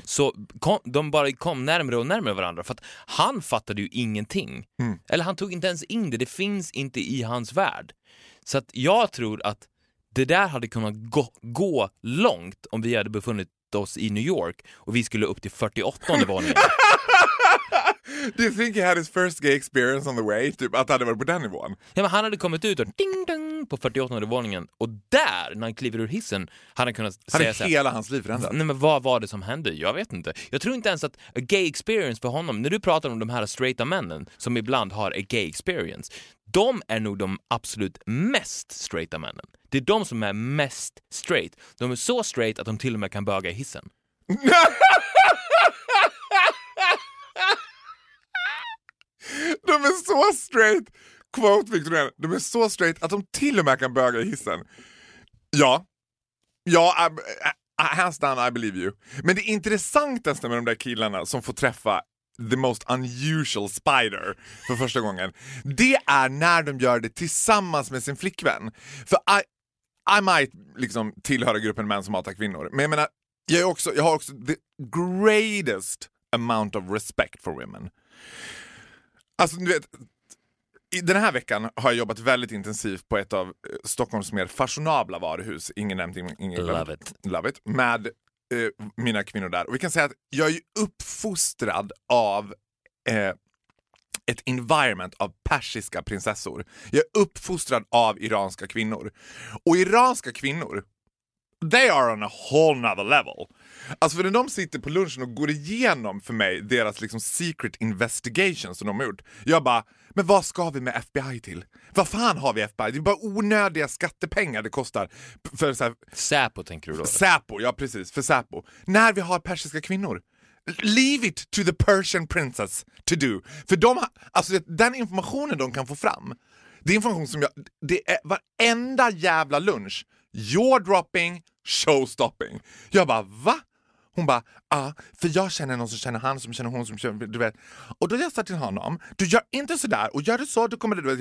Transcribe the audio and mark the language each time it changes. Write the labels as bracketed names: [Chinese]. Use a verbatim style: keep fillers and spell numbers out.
[Swedish] så kom, de bara kom närmare och närmare varandra, för att han fattade ju ingenting. Mm. Eller han tog inte ens in det. Det finns inte i hans värld. Så att jag tror att det där hade kunnat gå, gå långt om vi hade befunnit oss i New York och vi skulle upp till fyrtioåttonde våningen. [English] Do you think he had his first gay experience on the way? [Swedish] Typ att han hade varit på den nivån. Ja, men han hade kommit ut och ding dong på fyrtioåttonde våningen, och där när han kliver ur hissen hade han kunnat han säga så här, hela hans liv förändrat. Nej, men vad var det som hände? Jag vet inte. Jag tror inte ens att [English] a gay experience [Swedish] för honom, när du pratar om de här straighta männen som ibland har a gay experience, de är nog de absolut mest straighta männen. Det är de som är mest straight. De är så straight att de till och med kan böga i hissen. De är så straight, quote Victorien, de är så straight att de till och med kan böga i hissen. [English] Ja, ja, I, I, hands down, I believe you. [Swedish] Men det intressantaste med de där killarna som får träffa [English] the most unusual spider [Swedish] för första gången, det är när de gör det tillsammans med sin flickvän. För [English] I, I might [Swedish] liksom tillhöra gruppen män som hatar kvinnor, men jag menar, jag, är också, jag har också [English] the greatest amount of respect for women. [Swedish] Alltså, du vet, den här veckan har jag jobbat väldigt intensivt på ett av Stockholms mer fashionabla varuhus. Ingen nämnt, ingen [English] Love it. Love it. [Swedish] Med eh, mina kvinnor där. Och vi kan säga att jag är uppfostrad av eh, ett environment av persiska prinsessor. Jag är uppfostrad av iranska kvinnor. Och iranska kvinnor, [English] they are on a whole nother level. [Swedish] Alltså för när de sitter på lunchen och går igenom för mig deras liksom [English] secret investigations [Swedish] som de har gjort. Jag bara, men vad ska vi med F B I till? Vad fan har vi F B I? Det är bara onödiga skattepengar det kostar. För så här, Säpo tänker du då? Säpo, ja precis, för Säpo. När vi har persiska kvinnor. [English] Leave it to the Persian princess to do. [Swedish] För de, alltså den informationen de kan få fram. Det är information som jag, det är varenda jävla lunch. [English] Jaw-dropping, showstopping. [Swedish] Jag bara, va? Hon bara, ah, för jag känner någon som känner han som känner hon som känner, du vet. Och då jag sa till honom, du gör inte sådär och gör du så, då kommer det, du vet.